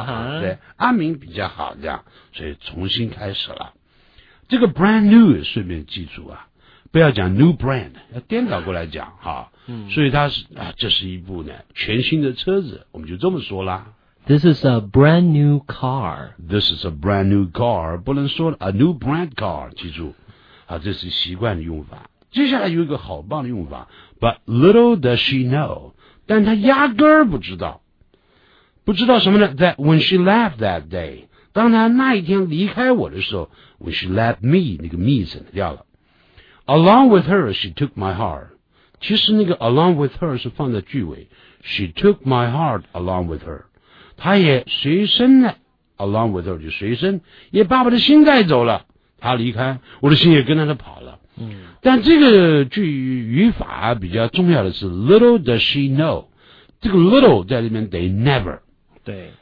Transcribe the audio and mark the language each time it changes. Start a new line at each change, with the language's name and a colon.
Chinese: uh-huh. 对，阿明比较好这样，所以重新开始了。这个 brand new 顺便记住啊。不要讲 new brand， 要颠倒过来讲哈、嗯。所以它是啊，这是一部呢全新的车子，我们就这么说啦。
English: This is a brand new car. This is a brand new car，
Chinese: 不能说
English: a new brand car，
Chinese: 记住啊，这是习惯的用法。接下来有一个好棒的用法 ，
English: but little does she know，
Chinese: 但她压根儿不知道，不知道什么呢 ？
English: That when she left that day，
Chinese: 当她那一天离开我的时候 ，
English: when she left me，
Chinese: 那个 me 省掉了。
English: Along with her, she took my heart.
Chinese: 其实那个 along with her 是放在句尾。
English: She took my heart along with her.
Chinese: 她也随身了 ,
English: along with her
Chinese: 就随身。也把我的心带走了。她离开我的心也跟着她跑了。嗯。但这个句语法比较重要的是
English: little does she know.
Chinese: 这个 little 在里面得 never. 对。